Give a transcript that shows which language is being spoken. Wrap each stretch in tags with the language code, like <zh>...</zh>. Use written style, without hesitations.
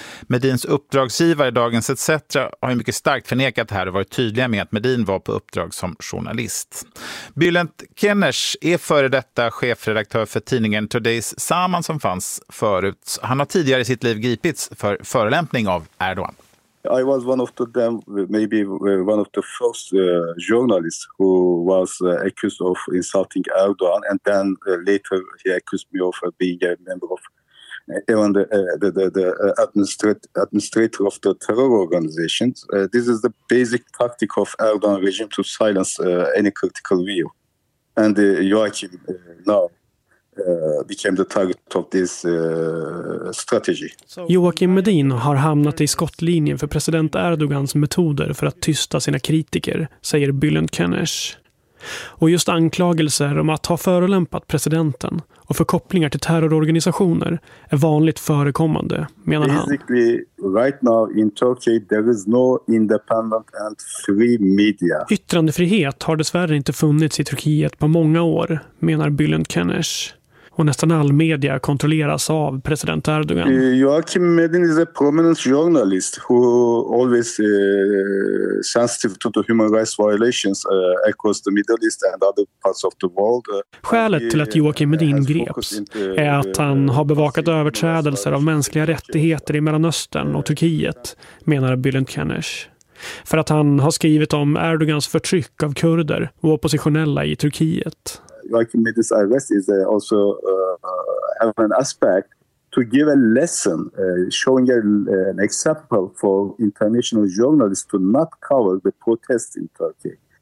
<sv>Medins uppdragsgivare Dagens ETC har ju mycket starkt förnekat det här och varit tydliga med att Medin var på uppdrag som journalist. Bülent Kenners är före detta chefredaktör för tidningen Today's Zaman som fanns förut. Han har tidigare i sitt liv gripits för förolämpning av Erdogan.</sv> <en>I was one of them, maybe one of the first journalists who was accused of insulting Erdogan, and then later he accused me of being a member of even the administrator of the terror organizations. This is the basic tactic of Erdogan regime to silence any critical view. And Joachim now became the target of this strategy.</en> <sv>Joakim Medin har hamnat i skottlinjen för president Erdogans metoder för att tysta sina kritiker, säger Bülent Kenners. Och just anklagelser om att ha förolämpat presidenten och förkopplingar till terrororganisationer är vanligt förekommande, menar han.</sv> <en>Basically, right now in Turkey there is no independent and free media.</en> <sv>Yttrandefrihet har dessvärre inte funnits i Turkiet på många år, menar Bülent Kenners. Och nästan all media kontrolleras av president Erdogan.</sv> <en>Joachim Medin is a prominent journalist who always sensitive to the human rights violations across the Middle East and other parts of the world.</en> <sv>Skälet till att Joachim Medin greps är att han har bevakat överträdelser av mänskliga rättigheter i Mellanöstern och Turkiet, menar Bülent Kenners. För att han har skrivit om Erdogans förtryck av kurder och oppositionella i Turkiet.</sv> <en>Joachim Medin's arrest is also have an aspect to give a lesson, showing an example for international journalists to not cover the protests in Turkey.</en>